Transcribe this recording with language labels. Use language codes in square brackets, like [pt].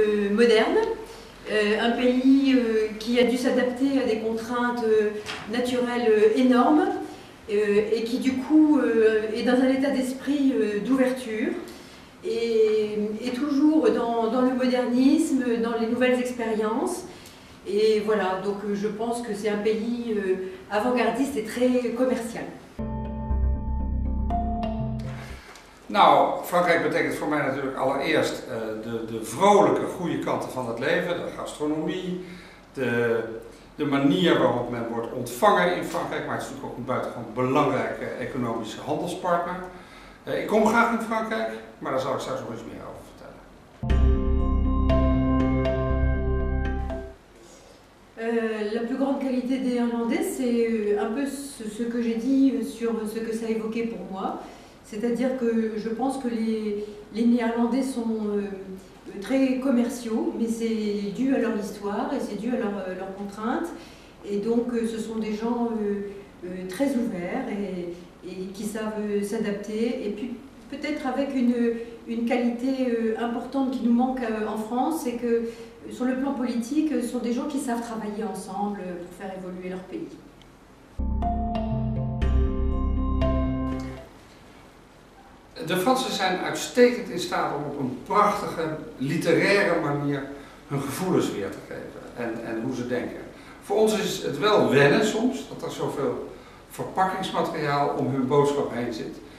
[fr] moderne, un pays qui a dû s'adapter à des contraintes naturelles énormes et qui du coup est dans un état d'esprit d'ouverture et toujours dans le modernisme, dans les nouvelles expériences. Et voilà, donc je pense que c'est un pays avant-gardiste et très commercial. [nl] Nou, Frankrijk betekent voor mij natuurlijk allereerst de vrolijke, goede kanten van het leven, de gastronomie, de manier waarop men wordt ontvangen in Frankrijk, maar het is natuurlijk ook een buitengewoon belangrijke economische handelspartner. Ik kom graag in Frankrijk, maar daar zal ik straks nog iets meer over vertellen. [fr] La plus grande qualité des Irlandais, c'est un peu ce que j'ai dit sur ce que ça évoquait pour moi. C'est-à-dire que je pense que les Néerlandais sont très commerciaux, mais c'est dû à leur histoire et c'est dû à leur contraintes. Et donc ce sont des gens très ouverts et qui savent s'adapter. Et puis peut-être avec une qualité importante qui nous manque en France, c'est que sur le plan politique, ce sont des gens qui savent travailler ensemble pour faire évoluer leur pays. [nl] De Fransen zijn uitstekend in staat om op een prachtige, literaire manier hun gevoelens weer te geven en hoe ze denken. Voor ons is het wel wennen soms dat er zoveel verpakkingsmateriaal om hun boodschap heen zit.